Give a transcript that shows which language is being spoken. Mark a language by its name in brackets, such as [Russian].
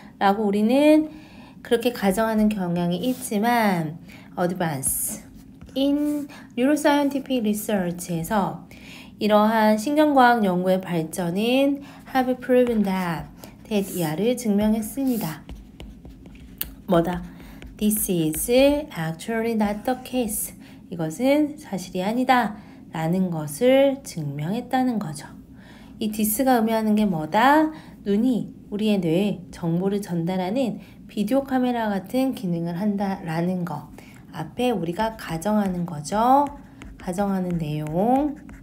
[Korean] 라고 우리는 그렇게 가정하는 경향이 있지만, [English] Advance in Neuroscientific Research [Korean] 에서 이러한 신경과학 연구의 발전은 [English] have proven that, that [Korean] 이하를 증명했습니다. 뭐다? [English] This is actually not the case. [Korean] 이것은 사실이 아니다. 라는 것을 증명했다는 거죠. 이 디스가 의미하는 게 뭐다? 눈이 우리의 뇌에 정보를 전달하는 비디오 카메라 같은 기능을 한다라는 거. 앞에 우리가 가정하는 거죠. 가정하는 내용.